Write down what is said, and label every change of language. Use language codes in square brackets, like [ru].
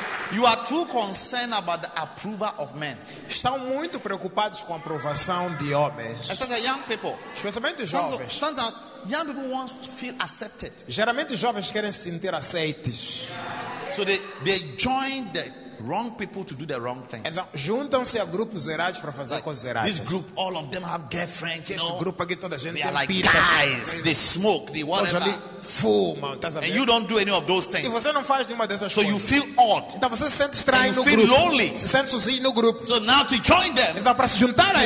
[en] You are too concerned about the approval of men. [pt] Estão muito preocupados com a aprovação de homens. [en] Especially young people. [pt] Especialmente jovens. [en] Sometimes young people want to feel accepted. [pt] Geralmente jovens querem se sentir aceites. [en] So they join the wrong people to do the wrong things. [pt] Então juntam-se a grupos errados para fazer coisas erradas. [en] This group, all of them have girlfriends. You [pt] este [en] know? [pt] Grupo aqui toda a gente [en] they [pt] tem [en] like pitas. Guys, they smoke, they whatever. And you don't do any of those things. [pt] E você não faz nenhuma dessas [en] so [pt] coisas. [en] You feel odd. [pt] Então você se sente estranho no grupo. [en] Lonely. [pt] Se sente sozinho no grupo. [en] So now to join them. [pt] Então para se juntar a eles.